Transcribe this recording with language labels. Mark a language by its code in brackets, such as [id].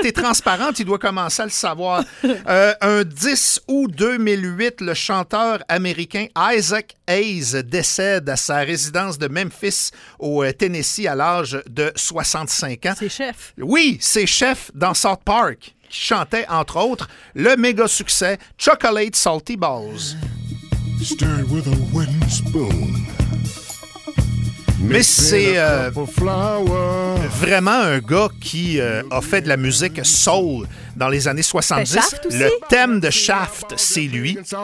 [fr] T'es transparente, il doit commencer à le savoir. Un 10 août 2008, le chanteur américain Isaac Hayes décède à sa résidence de Memphis au Tennessee à l'âge de 65 ans. C'est Chef. Oui, c'est Chef dans South Park qui chantait entre autres le méga succès Chocolate Salty Balls. [en] Stir with a wooden spoon. [fr] Mais c'est vraiment un gars qui a fait de la musique soul dans les années 70. Shaft aussi? Le thème de Shaft, c'est lui.